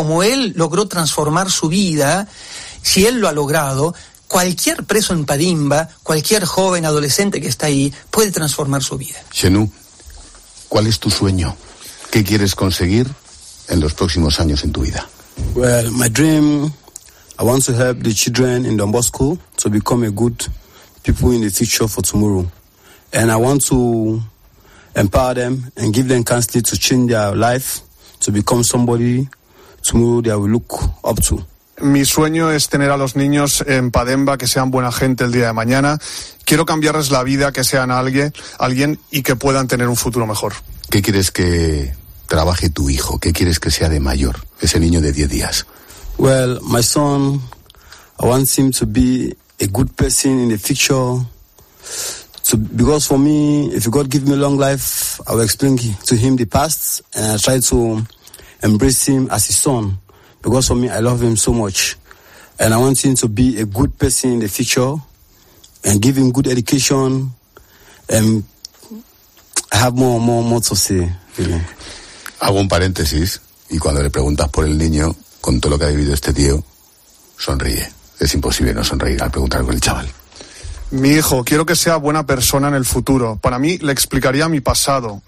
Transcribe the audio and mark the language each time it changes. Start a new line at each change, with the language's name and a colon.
Spanish: Como él logró transformar su vida, si él lo ha logrado, cualquier preso en Padimba, cualquier joven adolescente que está ahí, puede transformar su vida. Chenu, ¿cuál es tu sueño? ¿Qué quieres conseguir en los próximos años en tu vida?
English: Well, my dream, I want to help the children in Don Bosco to become a good people in the future for tomorrow. And I want to empower them and give them counsel to change their life, to become somebody tomorrow they will look up to.
Spanish: Mi sueño es tener a los niños en Padimba que sean buena gente el día de mañana. Quiero cambiarles la vida, que sean alguien y que puedan tener un futuro mejor. ¿Qué quieres que trabaje tu hijo? ¿Qué quieres que sea de mayor, ese niño de 10 días?
English: Well, my son, I want him to be a good person in the future. So, because for me, if God give me a long life, I will explain to him the past and I try to embrace him as his son. Because for me, I love him so much. And I want him to be a good person in the future and give him good education. And I have more to say.
Spanish: Hago un paréntesis y cuando le preguntas por el niño, con todo lo que ha vivido este tío, sonríe. Es imposible no sonreír al preguntar con el chaval. Mi hijo, quiero que sea buena persona en el futuro. Para mí, le explicaría mi pasado.